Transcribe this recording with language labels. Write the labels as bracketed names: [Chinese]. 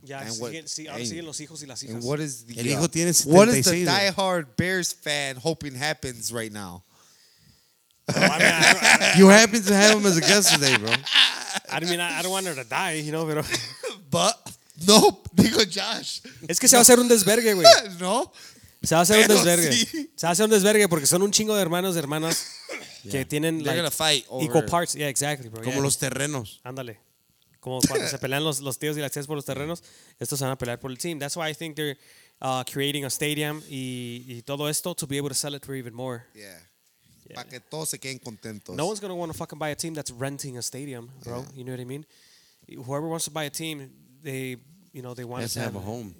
[English] Yeah, and what, [Spanish] see, los hijos y las hijas. [English] And what is the diehard Bears fan hoping happens right now? You happen to have him as a guest today, bro. I mean, I don't want her to die, you know, [Spanish] pero... [English] But, nope, [Spanish] digo [English] Josh. [Spanish] Es que se va a hacer un desvergue, güey. No. Se va a hacer un desvergue. Se va a hacer un desvergue porque son un chingo de hermanos y hermanas. [English] Yeah. [Spanish] Que tienen, [English] they're like, gonna fight over equal parts. Yeah, exactly, bro. [Spanish] Como [English] yeah. [Spanish] Los terrenos. Ándale. Como cuando se pelean los tíos y las tías por los terrenos, estos se van a pelear por el team. [English] That's why I think they're creating a stadium [Spanish] y todo esto [English] to be able to sell it for even more. [Spanish] Yeah. Para que todos se queden contentos. [English] No one's gonna want to fucking buy a team that's renting a stadium, bro. Yeah. You know what I mean? Whoever wants to buy a team, they, you know, they want to have a home.